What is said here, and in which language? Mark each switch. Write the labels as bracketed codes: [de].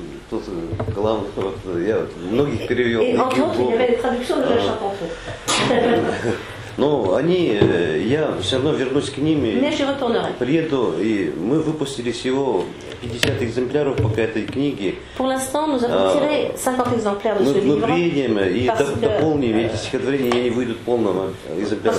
[ru] тут главных, вот, я многих перевел. [fr] И, entre autres, il y avait des traductions de Jean-Chantot. [ru] Но они, я все равно вернусь к ним и приеду. И мы выпустили всего 50 экземпляров пока этой книги. [fr] Pour l'instant, nous avons tiré 50 экземпляров de ce livre. [ru] Мы приедем и дополним эти стихотворения, они выйдут полным экземпляром.